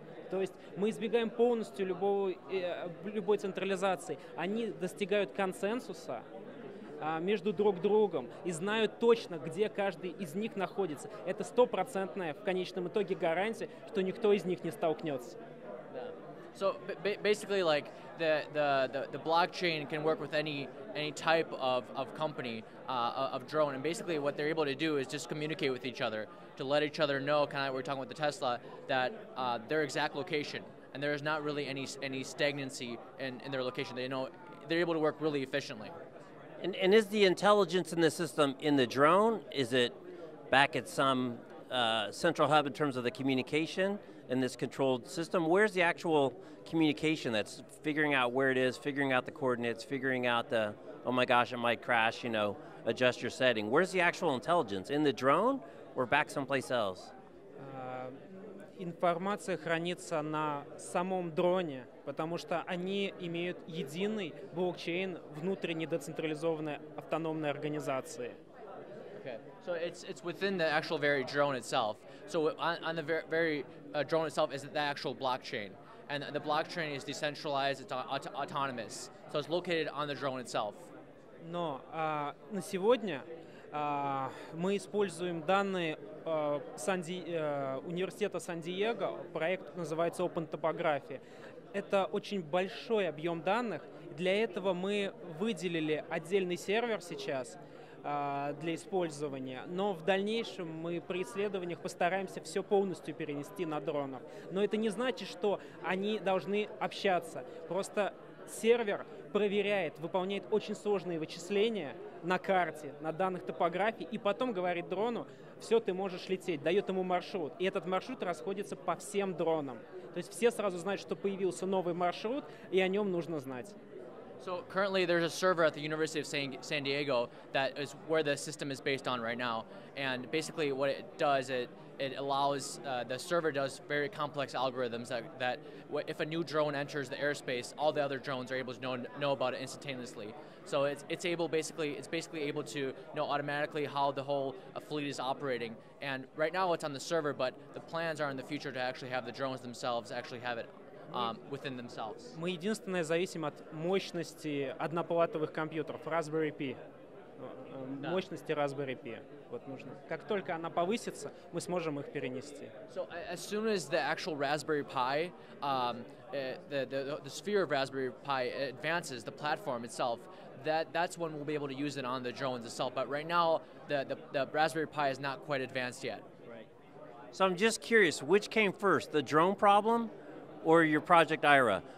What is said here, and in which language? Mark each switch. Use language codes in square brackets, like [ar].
[ru] То есть мы избегаем полностью любой централизации. Они достигают консенсуса между друг другом и знают точно, где каждый из них находится. Это стопроцентная в конечном итоге гарантия, что никто из них не столкнется. [en] So basically, like the blockchain can work with any type of company of drone, and basically what they're able to do is just communicate with each other to let each other know, kind of like we're talking with the Tesla, that their exact location, and there is not really any stagnancy in their location. They know they're able to work really efficiently. And is the intelligence in the system in the drone? Is it back at some central hub in terms of the communication in this controlled system? Where's the actual communication that's figuring out where it is, figuring out the coordinates, figuring out the, oh my gosh, it might crash, you know, adjust your setting. Where's the actual intelligence? In the drone or back someplace else? [ru] Информация хранится на самом дроне, потому что они имеют единый блокчейн внутренней децентрализованной автономной организации. [en] Okay. So it's within the actual very drone itself. So on the very drone itself is the actual blockchain. And the blockchain is decentralized, it's autonomous. So it's located on the drone itself. [ru] Но на сегодня мы используем данные университета Сан-Диего. Проект называется Open Topography. Это очень большой объем данных. Для этого мы выделили отдельный сервер сейчас для использования, но в дальнейшем мы при исследованиях постараемся все полностью перенести на дронов. Но это не значит, что они должны общаться. Просто сервер проверяет, выполняет очень сложные вычисления на карте, на данных топографии, и потом говорит дрону, все, ты можешь лететь, дает ему маршрут. И этот маршрут расходится по всем дронам. То есть все сразу знают, что появился новый маршрут, и о нем нужно знать. [en] So currently there's a server at the University of San Diego that is where the system is based on right now. And basically what it does, it allows, the server does very complex algorithms that if a new drone enters the airspace, all the other drones are able to know about it instantaneously. So it's basically able to know automatically how the whole fleet is operating. And right now it's on the server, but the plans are in the future to actually have the drones themselves actually have it within themselves. [ru] Мы единственное зависим от мощности одноплатовых компьютеров Raspberry Pi. Мощности Raspberry Pi. Вот нужно. Как только она повысится, мы сможем их перенести. [en] So as soon as the actual Raspberry Pi, the sphere of Raspberry Pi advances, the platform itself, that's when we'll be able to use it on the drones itself. But right now, the Raspberry Pi is not quite advanced yet. Right. So I'm just curious, which came first, the drone problem or your Project Aira?